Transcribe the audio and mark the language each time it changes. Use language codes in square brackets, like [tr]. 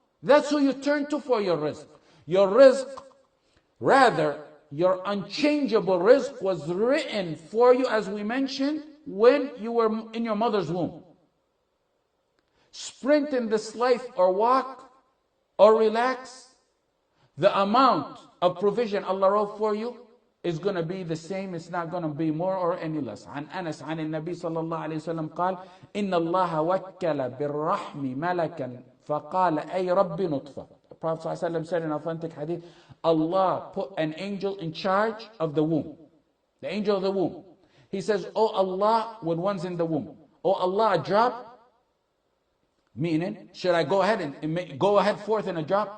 [en] That's who you turn to for your rizq. Your rizq, rather, your unchangeable rizq was written for you, as we mentioned, when you were in your mother's womb. Sprint in this life or walk or relax, the amount of provision Allah wrote for you is going to be the same. It's not going to be more or any less. [ar] عن أنس عن النبي صلى الله عليه وسلم قال إن الله وكل بالرحم ملكا فقال أي رب نطفة. [en] Prophet ﷺ said in authentic hadith, Allah put an angel in charge of the womb. The angel of the womb. He says, oh Allah, when one's in the womb, oh Allah, a drop. Meaning, should I go ahead and go ahead forth in a drop?